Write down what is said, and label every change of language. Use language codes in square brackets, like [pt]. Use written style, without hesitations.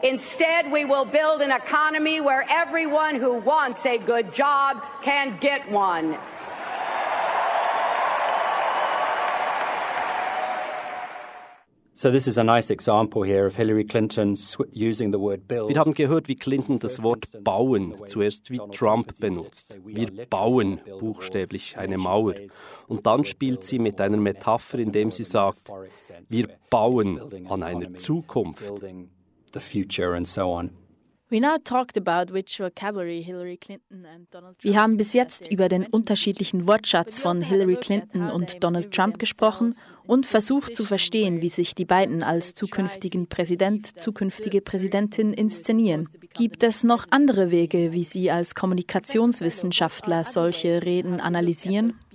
[en] Instead, we will build an economy where everyone who wants a good job can get one. So this is a nice example here of Hillary Clinton using the word build. [de] Wir haben gehört, wie Clinton das Wort bauen zuerst wie Trump benutzt. Wir bauen buchstäblich eine Mauer. Und dann spielt sie mit einer Metapher, indem sie sagt, wir bauen an einer Zukunft. [en] The future and so on. We now talked about which vocabulary Hillary Clinton and Donald Trump. [de] Wir haben bis jetzt über den unterschiedlichen Wortschatz von Hillary Clinton und Donald Trump gesprochen und versucht zu verstehen, wie sich die beiden als zukünftigen Präsident, zukünftige Präsidentin inszenieren. Gibt es noch andere Wege, wie Sie als Kommunikationswissenschaftler solche Reden analysieren?